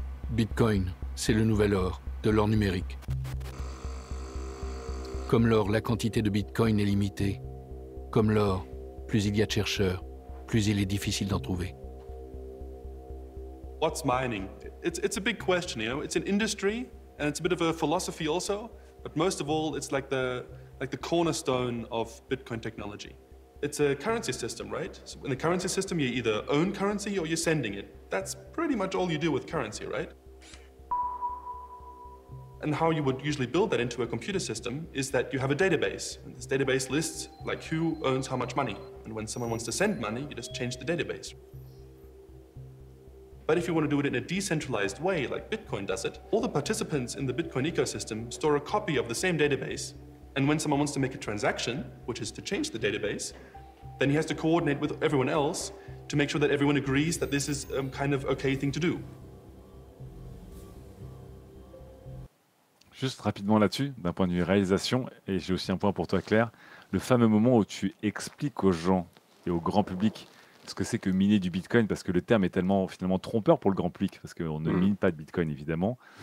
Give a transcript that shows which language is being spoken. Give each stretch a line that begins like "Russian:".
French: Bitcoin, c'est le nouvel or, de l'or numérique. Comme l'or, la quantité de Bitcoin est limitée. Comme l'or, plus il y a de chercheurs, plus il est difficile d'en trouver.
English: What's mining? It's a big question, you know. It's an industry. And it's a bit of a philosophy also, but most of all, it's like the cornerstone of Bitcoin technology. It's a currency system, right? So in a currency system, you either own currency or you're sending it. That's pretty much all you do with currency, right? And how you would usually build that into a computer system is that you have a database. And this database lists like who owns how much money. And when someone wants to send money, you just change the database. But if you want to do it in a decentralized way, like Bitcoin does it, all the participants in the Bitcoin ecosystem store a copy of the same database. And when someone wants to make a transaction, which is to change the database, then he has to coordinate with everyone else to make sure that everyone agrees that this is a kind of okay thing to do.
French: Juste rapidement là-dessus, d'un point de vue réalisation, et j'ai aussi un point pour toi, Claire, le fameux moment où tu expliques aux gens et au grand public ce que c'est que miner du Bitcoin, parce que le terme est tellement finalement trompeur pour le grand public, parce qu'on ne mine pas de Bitcoin, évidemment.